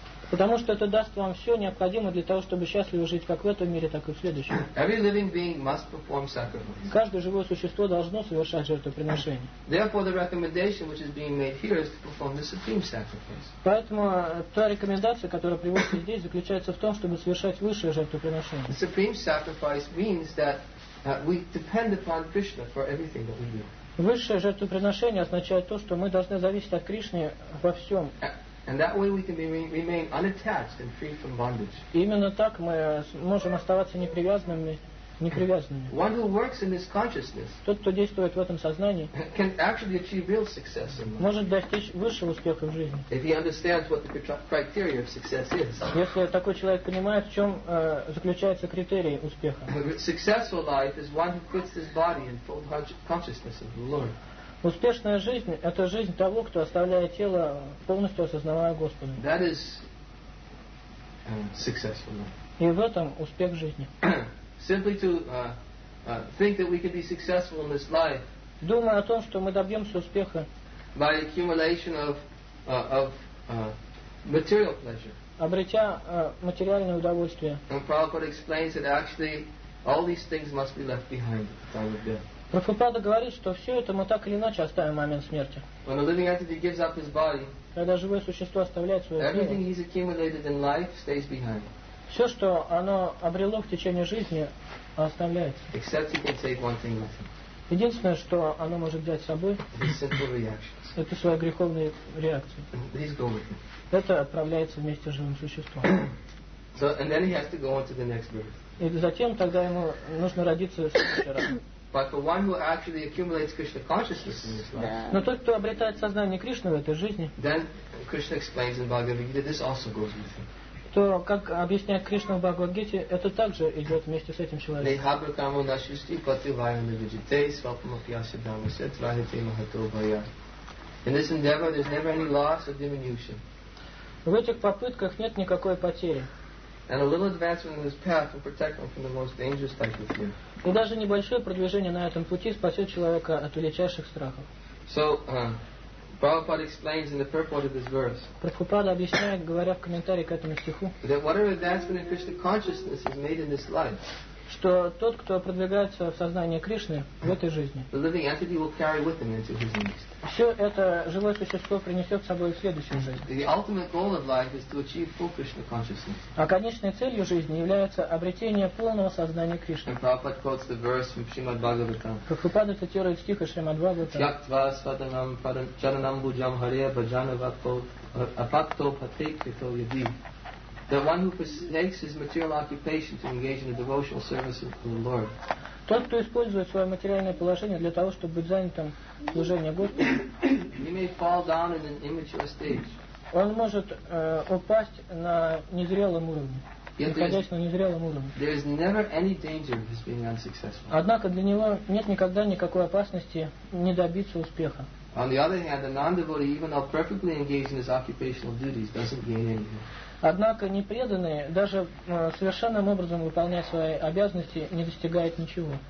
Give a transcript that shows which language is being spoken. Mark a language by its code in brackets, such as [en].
[ru] Потому что это даст вам все необходимое для того, чтобы счастливо жить как в этом мире, так и в следующем. [en] Every living being must perform sacrifice. [ru] Каждое живое существо должно совершать жертвоприношение. [en] Therefore, the recommendation which is being made here is to perform the supreme sacrifice. [ru] Поэтому та рекомендация, которая приводится здесь, заключается в том, чтобы совершать высшее жертвоприношение. [en] The supreme sacrifice means that we depend upon Krishna for everything that we do. [ru] Высшее жертвоприношение означает то, что мы должны зависеть от Кришны во всем. [en] And that way we can remain unattached and free from bondage. [ru] Именно так мы можем оставаться непривязанными, непривязанными. [en] One who works in this consciousness, [ru] тот, кто действует в этом сознании, [en] can actually achieve real success in life. [ru] Может достичь высшего успеха в жизни. [en] If he understands what the criteria of success is. [ru] Если такой человек понимает, в чем заключается критерий успеха. [en] Successful life is one who puts his body in full consciousness of the Lord. [ru] Успешная жизнь – это жизнь того, кто оставляет тело, полностью осознавая Господа. [en] That is successful. [ru] И в этом успех жизни. [en] Simply to think that we can be successful in this life. [ru] Думая о том, что мы добьемся успеха. [en] By accumulation of material pleasure. [ru] Обретя материальное удовольствие. [en] And Prabhupada explains that actually all these things must be left behind at the time of death. [ru] Прабхупада говорит, что все это мы так или иначе оставим в момент смерти. [en] When a living entity gives up his body, [ru] когда живое существо оставляет свое тело, [en] everything he's accumulated in life stays behind. [ru] Все, что оно обрело в течение жизни, оставляется. [en] Except he can take one thing with him. [ru] Единственное, что оно может взять с собой, это свои греховные реакции. [en] These go with him. [ru] Это отправляется вместе с живым существом. [en] So, and then he has to go on to the next birth. [ru] И затем тогда ему нужно родиться в следующий раз. [en] But the one who actually accumulates Krishna consciousness in this life. [ru] Но тот, кто обретает сознание Кришны в этой жизни. [en] Then Krishna explains in Bhagavad Gita this also goes with him. [ru] То, как объясняет Кришна в Бхагавад Гите, это также идет вместе с этим человеком. [en] In this endeavor there's never any loss or diminution. [ru] В этих попытках нет никакой потери. [en] And a little advancement in this path will protect him from the most dangerous type of fear. [ru] И даже небольшое продвижение на этом пути спасет человека от величайших страхов. [en] So, Prabhupada explains in the purport of this verse. [ru] Прабхупада объясняет, говоря в комментарии к этому стиху, [en] that whatever advancement in Krishna consciousness is made in this life, [ru] что тот, кто продвигается в сознание Кришны в этой жизни, [en] the living entity will carry with him into his next. [ru] Все это живое существо принесет с собой в следующем жизни. [en] The ultimate goal of life is to achieve full Krishna consciousness. [ru] А конечной целью жизни является обретение полного сознания Кришны. [en] Prabhupada quotes the verse from Shrimad Bhagavatam. [ru] Прабхупада цитирует стих из Шримад Бхагаватам. [sa] Тьяктва сватанам чаранам буджам харе баджана вакто апакто патрик вито яди. [en] The one who forsakes his material occupation to engage in the devotional service of the Lord. [ru] Тот, кто использует свое материальное положение для того, чтобы быть занятым служением Господу, [en] he may fall down in an immature stage. [ru] Он может упасть на незрелом уровне, находясь на незрелом уровне. [en] There is never any danger of his being unsuccessful. [ru] Однако для него нет никогда никакой опасности не добиться успеха. [en] On the other hand, a non-devotee, even though perfectly engaged in his occupational duties, doesn't gain anything. [ru] Однако непреданные, даже совершенным образом выполняя свои обязанности, не достигают ничего.